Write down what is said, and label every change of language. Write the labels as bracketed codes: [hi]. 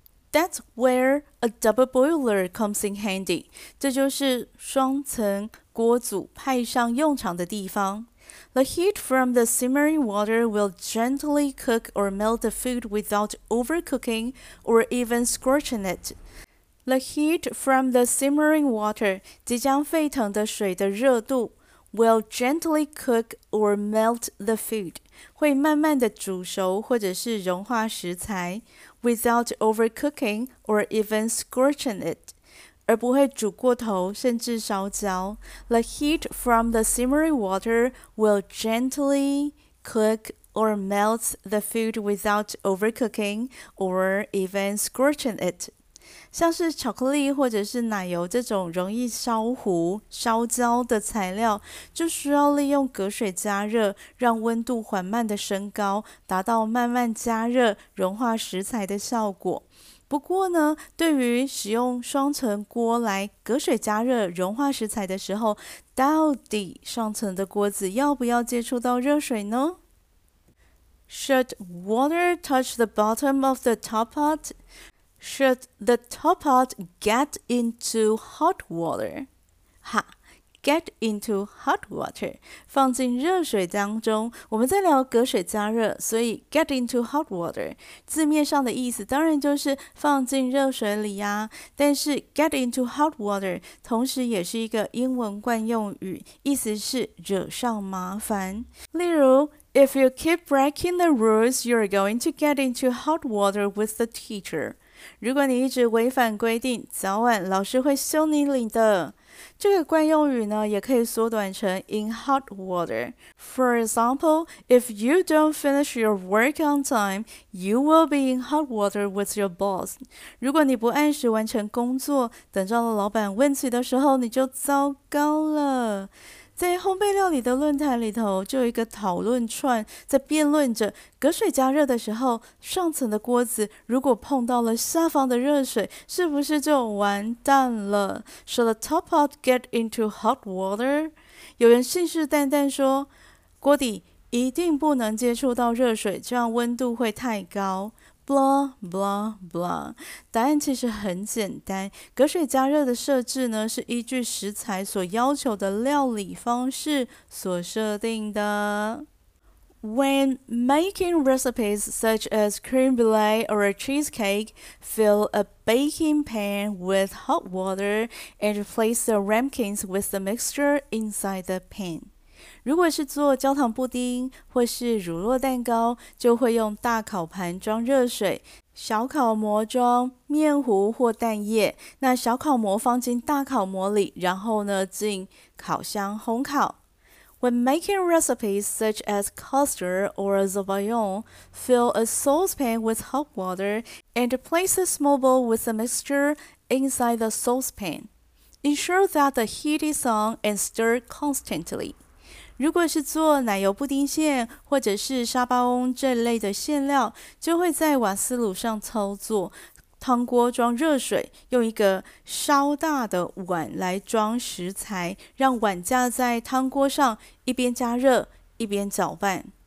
[en] That's where a double boiler comes in handy. [zh] 这就是双层锅煮派上用场的地方。 [en] The heat from the simmering water will gently cook or melt the food without overcooking or even scorching it. The heat from the simmering water, [zh] 即将沸腾的水的热度 [en] will gently cook or melt the food, [zh] 会慢慢地煮熟或者是融化食材 [en] without overcooking or even scorching it, [zh] 而不会煮过头甚至烧焦。 [en] The heat from the simmering water will gently cook or melt the food without overcooking or even scorching it. [zh] 像是巧克力或者是奶油这种容易烧糊、烧焦的材料，就需要利用隔水加热，让温度缓慢的升高，达到慢慢加热、融化食材的效果。不过呢，对于使用双层锅来隔水加热、融化食材的时候，到底上层的锅子要不要接触到热水呢？ [en] Should water touch the bottom of the top pot? Should the top pot get into hot water? 哈, get into hot water, [zh] 放进热水当中。我们在聊隔水加热，所以 [en] get into hot water [zh] 字面上的意思当然就是放进热水里啊。但是 [en] get into hot water [zh] 同时也是一个英文惯用语，意思是惹上麻烦。 [en] 例如If you keep breaking the rules, you're going to get into hot water with the teacher. [zh] 如果你一直违反规定，早晚老师会修你领的。这个惯用语呢，也可以缩短成 [en] in hot water. For example, if you don't finish your work on time, you will be in hot water with your boss. [zh] 如果你不按时完成工作，等到了老板问起的时候，你就糟糕了。在烘焙料理的论坛里头，就有一个讨论串在辩论着，隔水加热的时候，上层的锅子如果碰到了下方的热水，是不是就完蛋了？ [en] Should the top pot get into hot water? [zh] 有人信誓旦旦说，锅底一定不能接触到热水，这样温度会太高。 [en] Blah, blah, blah. [zh] 答案其实很简单。隔水加热的设置呢，是依据食材所要求的料理方式所设定的。 [en] When making recipes such as creme brulee or a cheesecake, fill a baking pan with hot water and place the ramekins with the mixture inside the pan. [zh] 如果是做焦糖布丁或是乳酪蛋糕，就会用大烤盘装热水，小烤模装面糊或蛋液。那小烤模放进大烤模里，然后呢进烤箱烘烤。 [en] When making recipes such as custard or zabayon, fill a saucepan with hot water and place a small bowl with the mixture inside the saucepan. Ensure that the heat is on and stir constantly. [zh] 如果是做奶油布丁馅或者是沙巴翁这类的馅料，就会在瓦斯炉上操作，汤锅装热水，用一个稍大的碗来装食材，让碗架在汤锅上，一边加热一边搅拌。